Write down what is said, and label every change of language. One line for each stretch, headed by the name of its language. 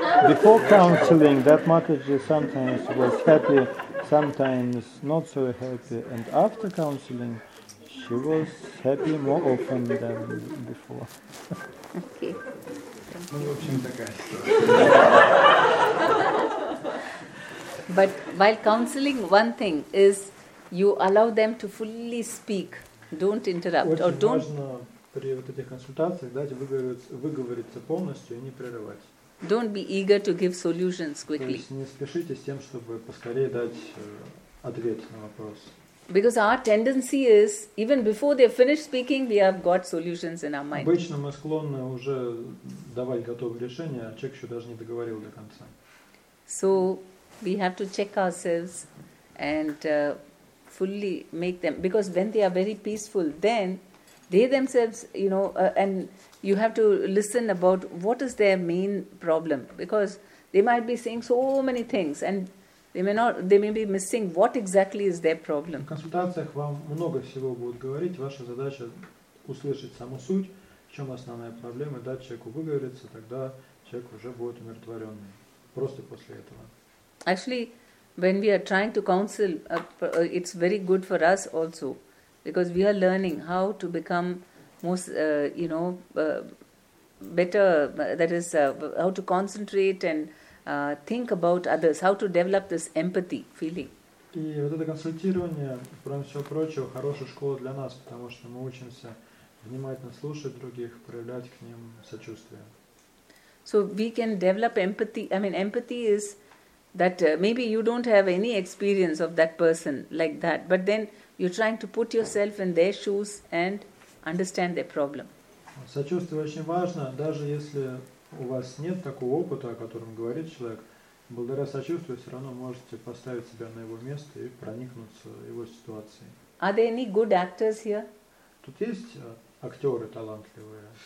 English: Before counseling, that Mataji sometimes was happy, sometimes not so happy, and after counseling, she was happy more often than before. Okay.
Russian: Ну, в общем, такая ситуация.
English: But while counseling, one thing is you allow them to fully speak, don't interrupt or don't.
Russian: Очень важно при вот этих консультациях дать выговориться полностью и не прерывать.
English: Don't be eager to give solutions quickly.
Russian: То есть не спешите с тем, чтобы поскорее дать ответ на вопрос.
English: Because our tendency is, even before they finish speaking, we have got solutions in our mind.
Russian: Обычно мы склонны уже давать готовые решения, а человек еще даже не договорил до конца.
English: So we have to check ourselves and fully make them. Because when they are very peaceful, then they themselves, you know, and you have to listen about what is their main problem. Because they might be saying so many things and they may be missing what exactly is their problem.
Russian: В консультациях вам много всего будут говорить. Ваша задача услышать саму суть, в чем основная проблема, дать человеку выговориться, тогда человек уже будет умиротворенный. Просто после этого.
English: Actually, when we are trying to counsel, it's very good for us also. Because we are learning how to become most, you know, better, that is, how to concentrate and think about others, how to develop this empathy feeling.
Russian: И вот это консультирование, кроме всего прочего, хорошая школа для нас, потому что мы учимся внимательно слушать других, проявлять к ним сочувствие.
English: So we can develop empathy. I mean, empathy is that maybe you don't have any experience of that person like that, but then you're trying to put yourself in their shoes and understand their problem.
Russian: Сочувствие очень важно, даже если у вас нет такого опыта, о котором говорит человек, благодаря сочувствию все равно можете поставить себя на его место и проникнуться в его ситуацией.
English: Are there any good actors here?
Russian: Тут есть актеры талантливые?